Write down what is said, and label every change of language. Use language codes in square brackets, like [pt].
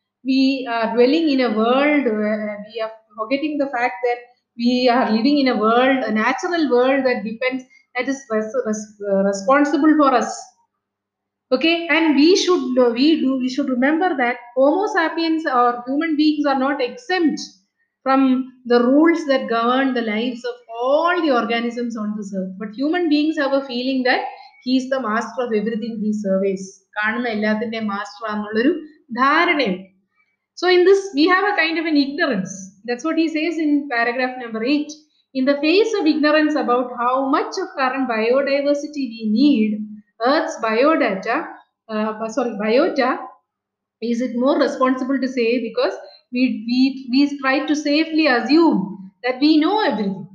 [en] We are dwelling in a world where we are forgetting the fact that we are living in a world, a natural world that depends, that is responsible for us. Okay, and we should remember that Homo sapiens or human beings are not exempt from the rules that govern the lives of all the organisms on this earth. But human beings have a feeling that he's the master of everything he surveys, [ml] കാണുന്ന എല്ലാത്തിന്റെ master ആണെന്നുള്ളൊരു ധാരണയും. [en] So in this we have a kind of an ignorance. That's what he says in paragraph number 8. In the face of ignorance about how much of current biodiversity we need, Earth's biota is it more responsible to say, because we try to safely assume that we know everything.